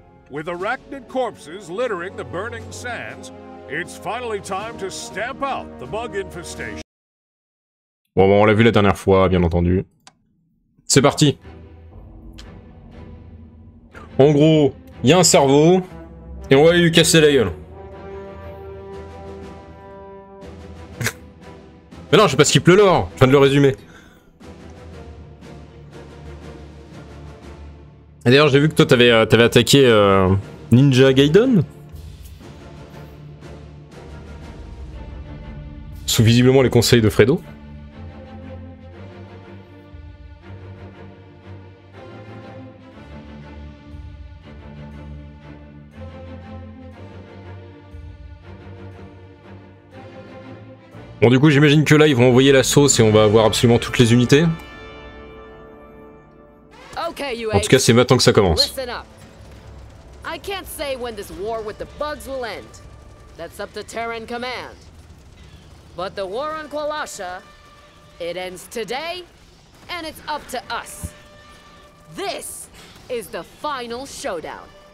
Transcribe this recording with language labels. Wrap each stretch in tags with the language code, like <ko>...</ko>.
<en>With arachnid corpses littering the burning sands, it's finally time to stamp out the bug infestation.</en> <fr>Bon, on l'a vu la dernière fois, bien entendu. C'est parti. En gros, il y a un cerveau, et on va aller lui casser la gueule. Mais non, je sais pas ce qu'il pleut l'or, je viens de le résumer. Et d'ailleurs, j'ai vu que toi, t'avais attaqué Ninja Gaiden. Sous visiblement les conseils de Fredo. Bon, du coup, j'imagine que là, ils vont envoyer la sauce et on va avoir absolument toutes les unités. En tout cas, c'est maintenant que ça commence.</fr> <en>Listen up. I can't say when this war with the bugs will end. That's up to Terran Command. But the war on Qualasha, it ends today, and it's up to us. This is the final showdown.</en>